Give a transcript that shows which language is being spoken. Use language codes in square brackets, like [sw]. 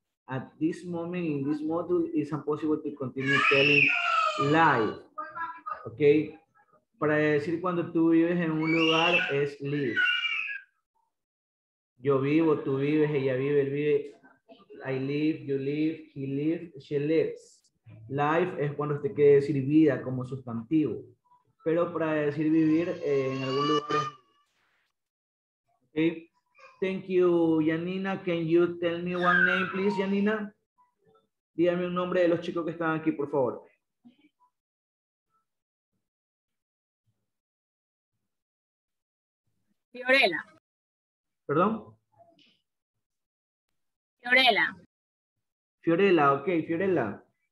[en] At this moment in this module, it's impossible to continue telling live. [es] Okay, para decir cuando tú vives en un lugar es live. Yo vivo, tú vives, ella vive, él vive. [en] I live, you live, he lives, she lives. [es] Life es cuando usted quiere decir vida como sustantivo. Pero para decir vivir en algún lugar. Okay. [en] Thank you, Janina. Can you tell me one name, please, Janina? [es] Dígame un nombre de los chicos que están aquí, por favor. Fiorella. Perdón. Fiorella. Fiorella, ok, Fiorella.